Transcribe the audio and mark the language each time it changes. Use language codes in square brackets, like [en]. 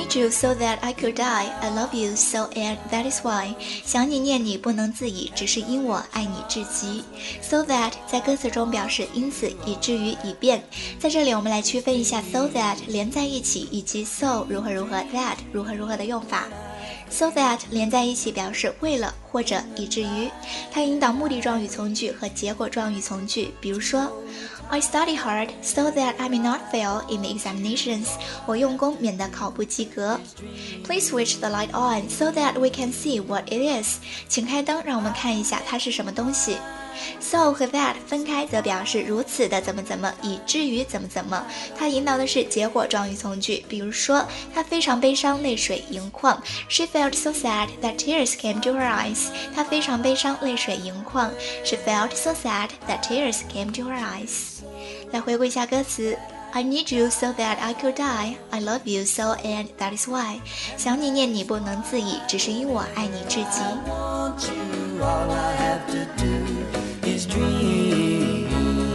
[en] So that I could die, I love you so and that is why。 [zh] 想你念你不能自已，只是因我爱你至极。 So that 在歌词中表示因此、以至于、以便。在这里我们来区分一下 so that 连在一起以及 so 如何如何、 that 如何如何的用法。 So that 连在一起表示为了或者以至于，它引导目的状语从句和结果状语从句。比如说 [en] I study hard so that I may not fail in the examinations。 [zh] 我用功免得考不及格。 [en] Please switch the light on so that we can see what it is。 [zh] 请开灯让我们看一下它是什么东西。So 和 that 分开则表示如此的怎么怎么，以至于怎么怎么。它引导的是结果状语从句，比如说她非常悲伤，泪水盈眶。 [en] She felt so sad that tears came to her eyes。 [zh] 她非常悲伤，泪水盈眶。 [en] She felt so sad that tears came to her eyes。 [zh] 来回顾一下歌词。 [en] I need you so that I could die, I love you so and that is why。 [zh] 想你念你不能自已，只是因我爱你至极。 [en] I want you, all I have to do is dream。